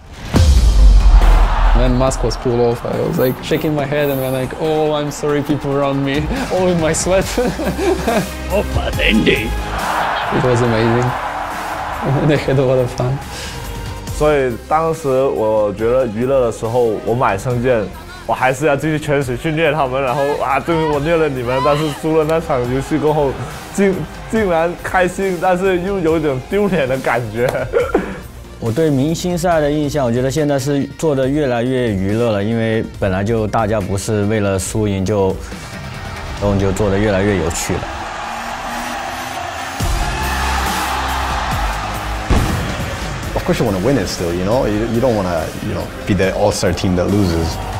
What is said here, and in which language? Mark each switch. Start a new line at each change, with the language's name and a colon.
English: When mask was pulled off, I was shaking my head and I'm oh, I'm sorry, people around me, all in my sweat. Opa, Dendy. It was amazing. And I had a lot of fun.
Chinese: 所以当时我觉得娱乐的时候我买圣剑我还是要继续全水去虐他们然后啊对我虐了你们但是输了那场游戏过后竟然开心但是又有一种丢脸的感觉我对明星赛的印象我觉得现在是做得越来越娱乐了因为本来就大家不是为了输赢就动就做得越来越有趣了
English: Of course you want to win it still, you know? You don't want to, you know, be the all-star team that loses.